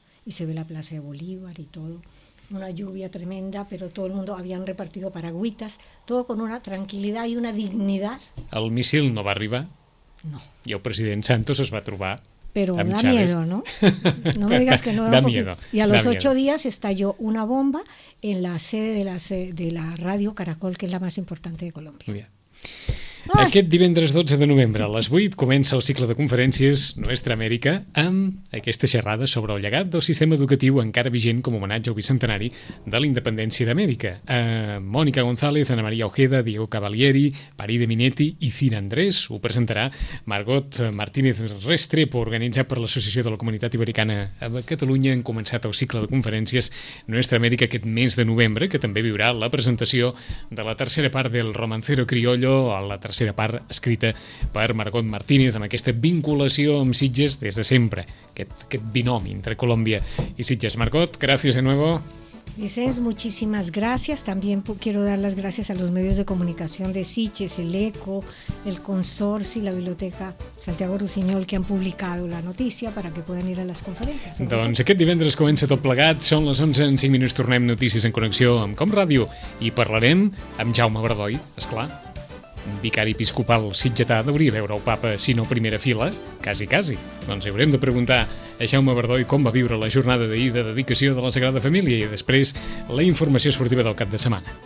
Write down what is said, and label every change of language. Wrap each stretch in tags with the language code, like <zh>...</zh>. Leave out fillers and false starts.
<es>Y se ve la Plaza de Bolívar y todo. Una lluvia tremenda, pero todo el mundo habían repartido paragüitas, todo con una tranquilidad y una dignidad.</es> <ca>El misil no va arribar. No. I el president Santos es va trobar.</ca> <es>Pero da miedo, ¿no? No me digas que no da miedo. Y a los 8 días estalló una bomba en la sede de la radio Caracol, que es la más importante de Colombia. Muy bien.</es> <ca>Aquest divendres 12 de novembre a les 8 comença el cicle de conferències Nuestra América amb aquesta xerrada sobre el llegat del sistema educatiu encara vigent com a homenatge al bicentenari de la independència d'Amèrica. Mònica González, Ana Maria Ojeda, Diego Cavalieri, Paride Minetti i Cira Andrés ho presentarà Margot Martínez Restrepo, organitzat per l'Associació de la Comunitat Ibericana a Catalunya. Han començat el cicle de conferències Nuestra América aquest mes de novembre, que també viurà la presentació de la tercera part del Romancero Criollo, a la tercera part escrita per Margot Martínez, amb aquesta vinculació amb Sitges des de sempre, aquest binomi entre Colòmbia i Sitges. Margot, gràcies</ca> <es>de nuevo. Vicenç, muchísimas gracias. También quiero dar las gracias a los medios de comunicación de Sitges, el ECO, el Consorci, la Biblioteca Santiago Rusiñol, que han publicado la noticia para que puedan ir a las conferencias.</es> <ca>Doncs aquest divendres comença tot plegat. Són les 11 en 5 minuts. Tornem Notícies en Connexió amb Com Ràdio i parlarem amb Jaume Verdoi, esclar. Un vicari episcopal sitgetà deuria veure el papa, si no primera fila, quasi, quasi. Doncs haurem de preguntar a Jaume Verdoi com va viure la jornada d'ahir de dedicació de la Sagrada Família i després la informació esportiva del cap de setmana.</ca>